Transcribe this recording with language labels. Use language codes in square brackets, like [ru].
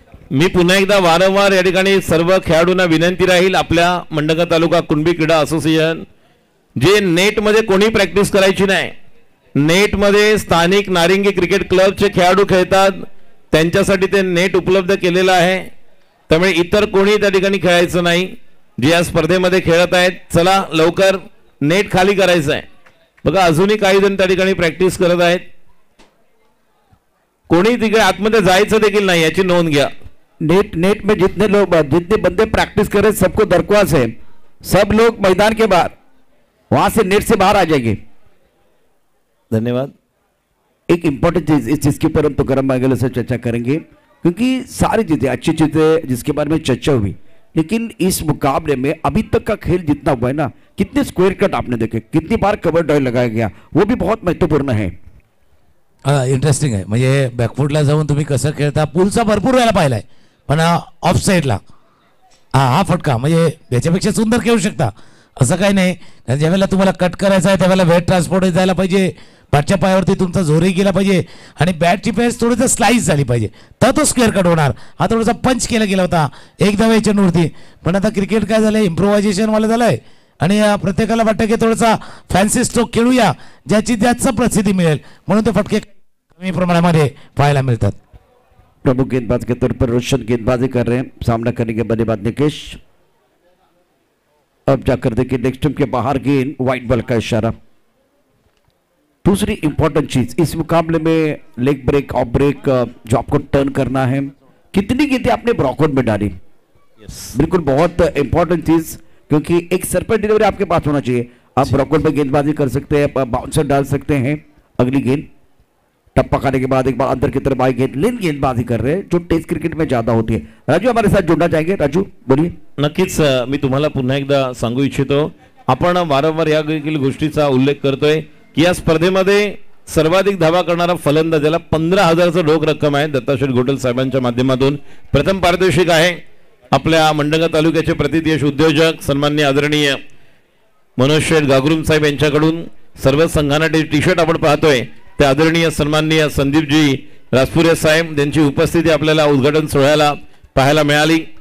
[mr] मी पुन्हा एकदा वारंवार या ठिकाणी सर्व खेळाडूंना विनंती राहील आपल्या मंडगा तालुका कुणबी क्रीडा असोसिएशन, जे नेट मध्ये कोणी प्रॅक्टिस करायची नाही, नेट मध्ये स्थानिक नारिंगी क्रिकेट क्लबचे खेळाडू खेळतात त्यांच्यासाठी ते नेट उपलब्ध केलेलं आहे, त्यामुळे इतर कोणी त्या ठिकाणी खेळायचं नाही जे या स्पर्धेमध्ये खेळत आहेत. चला लवकर नेट खाली करायचं आहे. बघा अजूनही काही जण त्या ठिकाणी प्रॅक्टिस करत आहेत, कोणी तिकडे आतमध्ये जायचं देखील नाही याची नोंद घ्या. [hi] नेट नेट में जितने लोग जितने बंदे प्रैक्टिस कर रहे सबको दरख्वास्त है सब लोग मैदान के बाहर वहां से नेट से बाहर आ जाएंगे. धन्यवाद. एक इंपॉर्टेंट चीज इस जिसके ऊपर हम तुकाराम मांगेला से चर्चा करेंगे क्योंकि सारी चीजें अच्छी चीजें जिसके बारे में चर्चा हुई लेकिन इस मुकाबले में अभी तक का खेल जितना हुआ है ना कितने स्क्वेयर कट आपने देखे, कितनी बार कवर ड्राइव लगाया गया वो भी बहुत महत्वपूर्ण है. [mr] इंटरेस्टिंग आहे म्हणजे बॅकफूटला जाऊन तुम्ही कसं खेळता पूलचा भरपूर वेळा पाहिलाय पण ऑफ साईडला हा फटका म्हणजे त्याच्यापेक्षा सुंदर खेळू शकता असं काही नाही. कारण ज्यावेळेला तुम्हाला कट करायचा आहे त्यावेळेला वेट ट्रान्सपोर्ट जायला पाहिजे, पाठच्या पायावरती तुमचा जोरही गेला पाहिजे आणि बॅटची पेस थोडीसं स्लाइस झाली पाहिजे तर तो स्क्वेअर कट होणार. हा थोडासा पंच केला गेला होता एक धाव्याच्यावरती पण आता क्रिकेट काय झालं इम्प्रोव्हायझेशनवालं झालंय आणि प्रत्येकाला वाटतं की थोडासा फॅन्सी स्ट्रोक खेळूया ज्याची त्याच प्रसिद्धी मिळेल म्हणून ते फटके कमी प्रमाणामध्ये पाहायला मिळतात. [hi] प्रमुख गेंदबाज के तौर पर रोशन गेंदबाजी कर रहे हैं, सामना करने के बल्लेबाज निकेश. अब जाकर देखिए नेक्स्ट टीम के बाहर गेंद व्हाइट बॉल का इशारा. दूसरी इंपॉर्टेंट चीज इस मुकाबले में लेग ब्रेक ऑफ ब्रेक जो आपको टर्न करना है कितनी गेंदें आपने ब्रॉकआउट में डाली. बिल्कुल बहुत इंपॉर्टेंट चीज क्योंकि एक सरपेट डिलीवरी आपके पास होना चाहिए. आप ब्रॉकआउट में गेंदबाजी कर सकते हैं, बाउंसर डाल सकते हैं. अगली गेंद टप्पा खाने के बाद एक बार अंदर की तरफ आई गेंद, लेन गेंदबाजी कर रहे हैं जो टेस्ट क्रिकेट में ज्यादा होती है. राजू हमारे साथ जुड़ना चाहेंगे. राजू बोलिए. [mr] नक्कीच मी तुम्हाला पुन्हा एकदा सांगू इच्छितो आपण वारंवार या गोष्टीचा उल्लेख करतोय की या स्पर्धेमध्ये सर्वाधिक धावा करणारा फलंदाज ज्याला 15,000 रोख रक्कम आहे दत्ताशेठ घोटल साहेबांच्या माध्यमातून प्रथम पारितोषिक आहे आपल्या मंडगा तालुक्याचे प्रतिदेश उद्योजक सन्माननीय आदरणीय मनोज शेठ गागरुम साहेब यांच्याकडून सर्व संघांना जे टी शर्ट आपण पाहतोय ते आदरणीय सन्माननीय संदीपजी राजपुरे साहेब त्यांची उपस्थिती आपल्याला उद्घाटन सोहळ्याला पाहायला मिळाली.